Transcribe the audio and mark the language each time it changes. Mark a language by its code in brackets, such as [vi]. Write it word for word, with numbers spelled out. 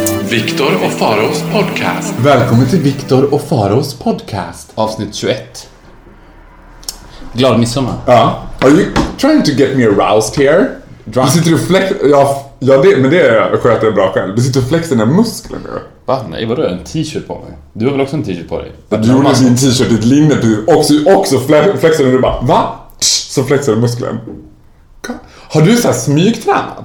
[sv] Victor och Faros podcast. Välkommen till Victor och Faros podcast. Avsnitt tjugoett. Glad midsommar. Ja. [en] Are you trying to get me aroused here? [sv] Drunk. Du sitter och flex... Ja, ja det, men det sköter jag bra själv. Du sitter och flexar dina muskler nu. Va? Nej, vadå? En t-shirt på mig. Du har väl också en t-shirt på dig? Du gjorde man... din t-shirt i ett linne och så också flexar du bara, va? Så flexar du musklen. Har du så här smygtränat?